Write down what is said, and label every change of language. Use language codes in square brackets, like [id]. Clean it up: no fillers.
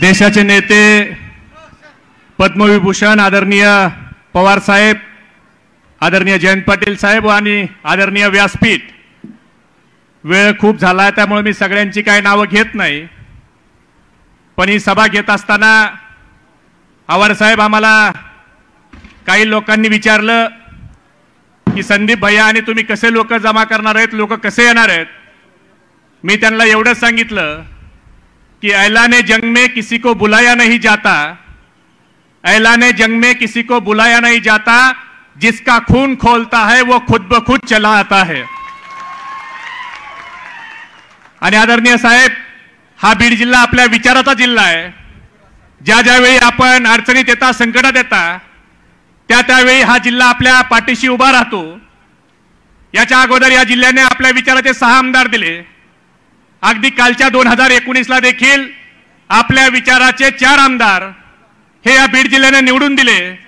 [mr] देशाचे नेते पद्मविभूषण आदरणीय पवार साहेब, आदरणीय जयंत पाटील साहेब आणि आदरणीय व्यासपीठ, वेळ खूप झाला आहे त्यामुळे मी सगळ्यांची काही नावं घेत नाही, पण ही सभा घेत असताना आवारसाहेब आम्हाला काही लोकांनी विचारलं की संदीप भैया आणि तुम्ही कसे लोक जमा करणार आहेत, लोक कसे येणार आहेत। मी त्यांना एवढं सांगितलं की [hi] ऐलाने जंग में किसी को बुलाया नहीं जाता, ऐलाने जंग में किसी को बुलाया नहीं जाता, जिसका खून खोलता है वो खुद ब खुद चला आता है। [mr] आणि आदरणीय साहेब, हा बीड जिल्हा आपल्या विचाराचा जिल्हा आहे। ज्या ज्यावेळी आपण अडचणीत येता, संकटात येता, त्या त्यावेळी हा जिल्हा आपल्या पाठीशी उभा राहतो। याच्या अगोदर या जिल्ह्याने आपल्या विचाराचे 6 आमदार दिले। अगदी कालच्या 2019 देखील आपल्या विचाराचे 4 आमदार हे या बीड जिल्ह्याने निवडून दिले।